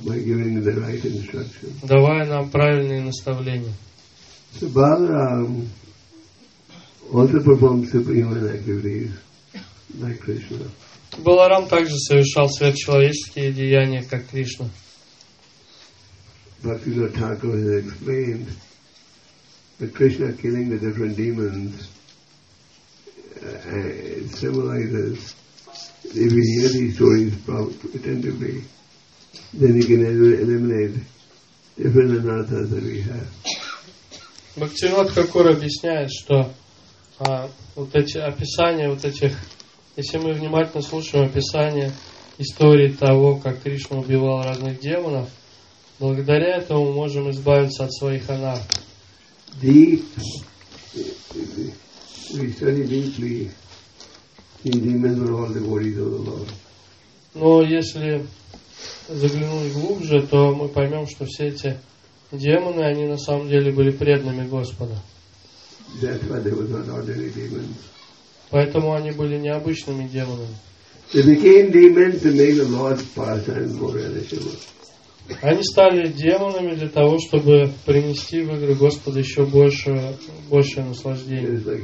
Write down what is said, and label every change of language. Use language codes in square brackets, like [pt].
[en] By giving the right instruction. [ru] Давая нам правильные наставления. [en] So Balaram also performed superhuman activities like Krishna. [ru] Баларам также совершал сверхчеловеческие деяния, как Кришна. [en] Bhaktivinoda Thakur has explained that Krishna killing the different demons symbolizes if we hear these stories attentively, then we can eliminate different anathas that we have. [ru] Bhaktivinoda Thakur объясняет, что вот эти описания вот этих. Если мы внимательно слушаем описание истории того, как Кришна убивал разных демонов, благодаря этому мы можем избавиться от своих анар. Но если заглянуть глубже, то мы поймем, что все эти демоны, они на самом деле были преданными Господа. [en] That's why they were not ordinary demons. [ru] Поэтому они были необычными демонами. [en] They became demons to make the Lord's pastime more relishable. [ru] Они стали демонами для того, чтобы принести в игры Господа еще больше, большее наслаждение.